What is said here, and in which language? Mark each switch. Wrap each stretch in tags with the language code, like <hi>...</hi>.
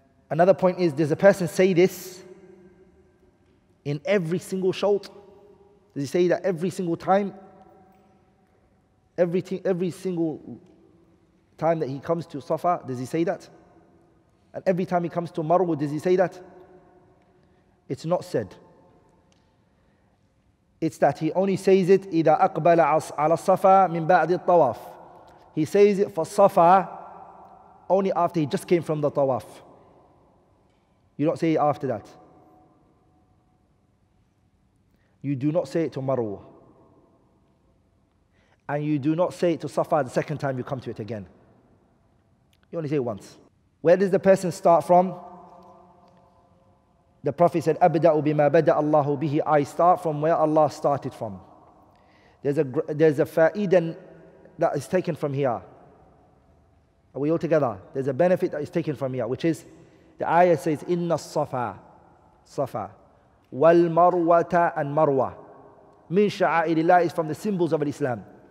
<en>Another point is, does a person say this in every single shawt? Does he say that every single time? Every single time that he comes to Safa, does he say that? And every time he comes to Marwa, does he say that? It's not said. It's that he only says it</en> <ar>إِذَا أَقْبَلَ عَلَى الصَّفَى مِنْ بَعْدِ الطَّوَافِ.</ar> <en>He says it for Safa only after he just came from the Tawaf. You don't say it after that. You do not say it to Marwa. And you do not say it to Safa the second time you come to it again. You only say it once. Where does the person start from? The Prophet said,</en> <ar>أَبْدَأُ بِمَا بَدَأَ اللَّهُ بِهِ.</ar> <en>I start from where Allah started from. There's a fa'idan that is taken from here. Are we all together? There's a benefit that is taken from here, which is, the ayah says,</en> <ar>إِنَّ الصَّفَى صَفَى وَالْمَرْوَةَ</ar> <en>and</en> <ar>مَرْوَى مِنْ شَعَائِرِ اللَّهِ,</ar> <en>is from the symbols of Islam.</en>